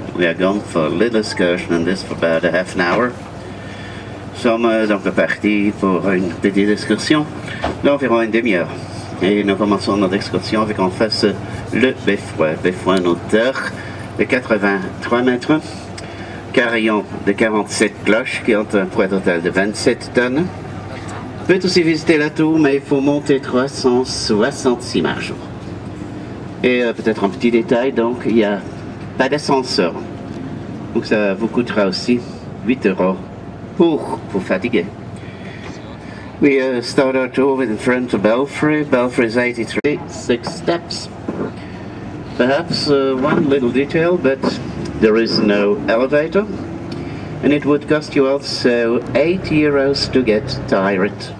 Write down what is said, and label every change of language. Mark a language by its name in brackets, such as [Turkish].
[English] We are going for a little excursion in this for about a half an hour. [French] Sommes donc partis pour une petite excursion d'environ une demi-heure. Et nous commençons notre excursion avec qu'on fasse le beffroi. Beffroi en hauteur de 83 mètres, carillon de 47 cloches qui ont un poids total de 27 tonnes. On peut aussi visiter la tour, mais il faut monter 366 marches. Et peut-être un petit détail, donc il n'y a pas d'ascenseur. Donc ça vous coûtera aussi 8 euros pour vous fatiguer. [English] We start our tour in front of Belfry. Belfry is 83, 6 steps. Perhaps one little detail, but there is no elevator. And it would cost you also 8 euros to get tired.